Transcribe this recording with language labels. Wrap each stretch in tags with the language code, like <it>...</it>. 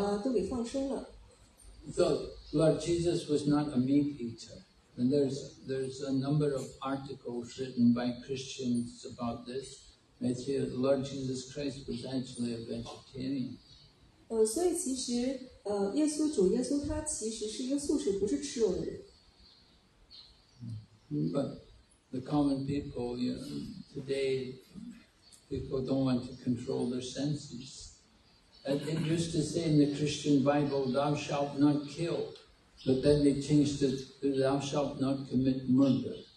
<zh>在他们圣经其实有两个版本，一个是古老的原旧的版本，一个是新的版本。在这个古老的版本当中，会提到人们的饮食应该是素食，也会提到这个主他把很多的动物、小食鸟啊都给放生了。</zh> <en>So Lord Jesus was not a meat eater, and there's a number of articles written by Christians about this. They say Lord Jesus Christ was actually a vegetarian.</en> <zh>所以其实，耶稣他其实是一个素食，不是吃肉的人。</zh> <en>But the common people, today, people don't want to control their senses. And it used to say in the Christian Bible, "Thou shalt not kill," but then they changed it to "Thou shalt not commit murder."</en>